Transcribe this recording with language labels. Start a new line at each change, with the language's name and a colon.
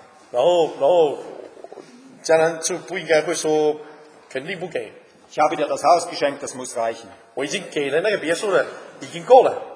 Chinese: 然后，江南就不应该会说，肯定不给。
German: Ich habe dir das Haus geschenkt, das muss reichen.
Chinese: 我已经给了那个别墅了，已经够了。